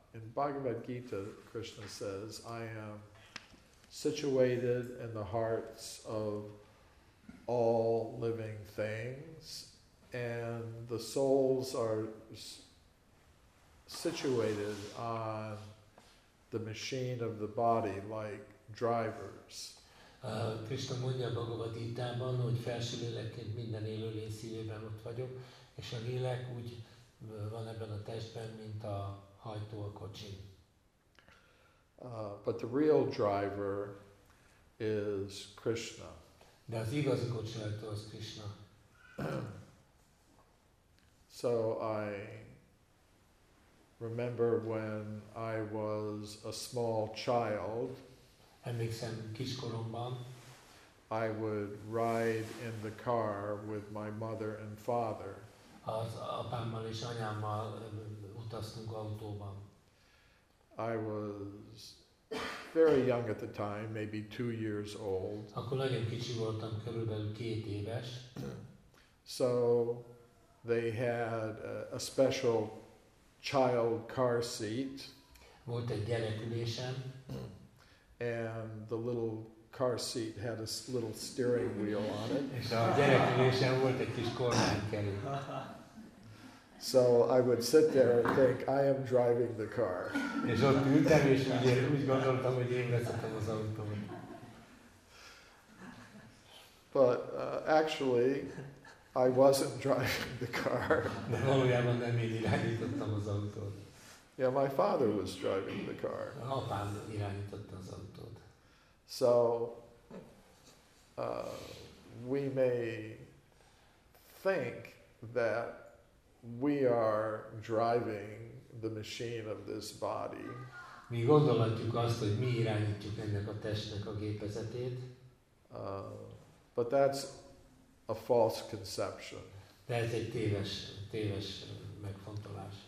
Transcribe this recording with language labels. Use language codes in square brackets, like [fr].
[en] In Bhagavad Gita Krishna says, I am situated in the hearts of all living things, and the souls are situated on the machine of the body like drivers. [hu] Krishna mondja Bhagavad Gita-ban, hogy felső lélekként minden élőlény szívében ott vagyok, és a lélek úgy van ebben a testben, mint a hajtó a kocsin. [en] But the real driver is Krishna. [hu] De az igazi kocsi hajtó az Krishna. [en] So I remember when I was a small child. [hu] Emlékszem kiskoromban. [en] I would ride in the car with my mother and father. [hu] Az apámmal és anyámmal utaztunk autóban. [en] I was very young at the time, maybe 2 years old. [hu] Akkor nagyon kicsi voltam, körülbelül 2 éves. [en] So they had a special child car seat. [hu] Volt egy gyerekülésem. [en] And the little car seat had a little steering wheel on it. [hu] És a gyerekülésen volt egy kis kormánykerék. [en] So I would sit there and think, I am driving the car. [hu] És ott ültem, és úgy gondoltam, hogy én vezetem az autót. [en] But actually, I wasn't driving the car. [hu] De valójában nem én irányítottam az autót. [en] Yeah, my father was driving the car. [hu] Apám irányította az autót. [en] So, we may think that we are driving the machine of this body. [hu] Mi gondolhatjuk azt, hogy mi irányítjuk ennek a testnek a gépezetét. [en] But that's a false conception. [hu] De ez egy téves megfontolás.